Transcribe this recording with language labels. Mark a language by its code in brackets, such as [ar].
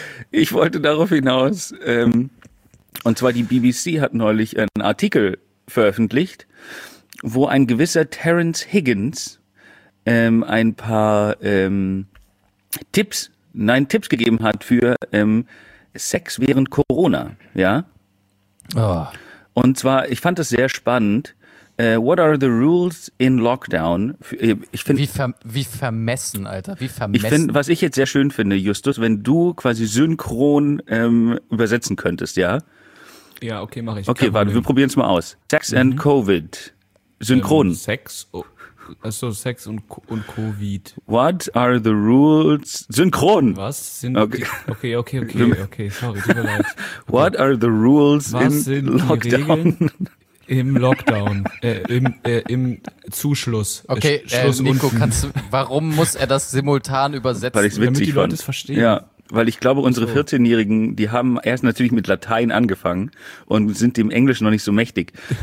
[de] Ich wollte darauf hinaus, und zwar die BBC hat neulich einen Artikel veröffentlicht, wo ein gewisser Terence Higgins ein paar Tipps gegeben hat für Sex während Corona, ja. Oh. Und zwar, ich fand das sehr spannend. [en] What are the rules in lockdown? [de] Ich finde, wie vermessen, Alter. Wie vermessen. Ich finde, was ich jetzt sehr schön finde, Justus, wenn du quasi synchron übersetzen könntest, ja. Ja, okay, mache ich. Okay, warte, wir probieren es mal aus. [en] Sex and Covid. Synchron. [de] Sex, oh, achso, Sex und Covid. [en] What are the rules? Synchron. [de] Was sind okay, sorry, tut mir leid. [en] What are the rules in Lockdown? [de] Was sind die Regeln im Lockdown? Im Zuschluss. Okay, Nico, warum muss er das simultan übersetzen? Weil ich es witzig fand. Damit die Leute es verstehen. Ja. Weil ich glaube, unsere 14-Jährigen, die haben erst natürlich mit Latein angefangen und sind dem Englisch noch nicht so mächtig.